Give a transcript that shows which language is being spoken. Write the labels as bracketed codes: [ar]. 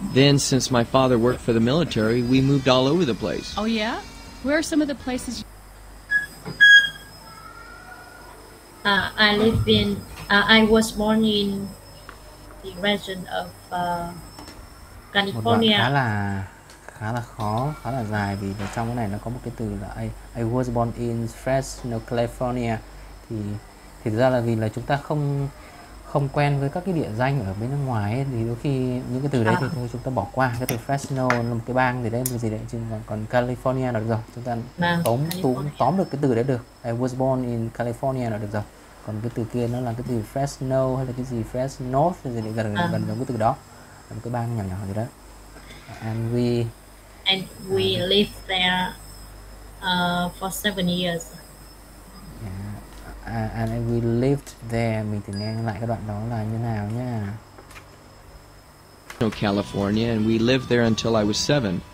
[en] Then, since my father worked for the military, we moved all over the place. Oh, yeah? Where are some of the places you... I was born in the region of California. [vi] Một đoạn khá là khó, khá là dài vì trong cái này nó có một cái từ là [en] I was born in Fresno, California. [vi] Thì thực ra là vì là chúng ta không quen với các cái địa danh ở bên nước ngoài ấy, thì đôi khi những cái từ đấy thì chúng ta bỏ qua. Cái từ Fresno là một cái bang gì đấy, một gì đấy, chứ còn California là được rồi. Chúng ta tóm được cái từ đấy được. [en] I was born in California [vi] là được rồi. Còn cái từ kia nó là cái từ Fresno hay là cái gì Fresno thì gì đấy, gần giống cái từ đó. Là một cái bang nhỏ nhỏ gì đó. [en] And we lived there for 7 years. And we lived there. [vi] Mình thử nghe lại cái đoạn đó là như nào nhá. [en] No, California, and we lived there until I was 7.